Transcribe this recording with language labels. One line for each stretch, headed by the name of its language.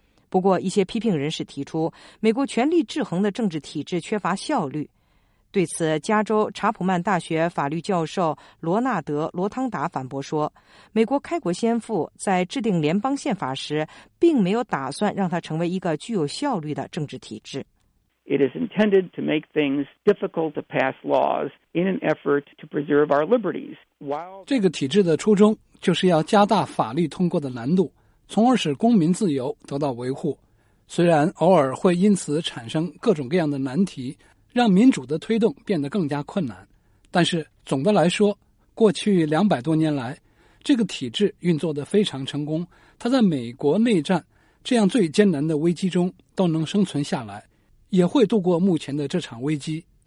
Chinese: 不过，一些批评人士提出，美国权力制衡的政治体制缺乏效率。对此，加州查普曼大学法律教授罗纳德·罗汤达反驳说，美国开国先父在制定联邦宪法时，并没有打算让它成为一个具有效率的政治体制。
English: It is intended to make things difficult to pass laws in an effort to preserve our liberties.
Chinese: 这个体制的初衷就是要加大法律通过的难度，从而使公民自由得到维护。虽然偶尔会因此产生各种各样的难题，让民主的推动变得更加困难，但是总的来说，过去200多年来，这个体制运作得非常成功，它在美国内战这样最艰难的危机中都能生存下来，也会度过目前的这场危机。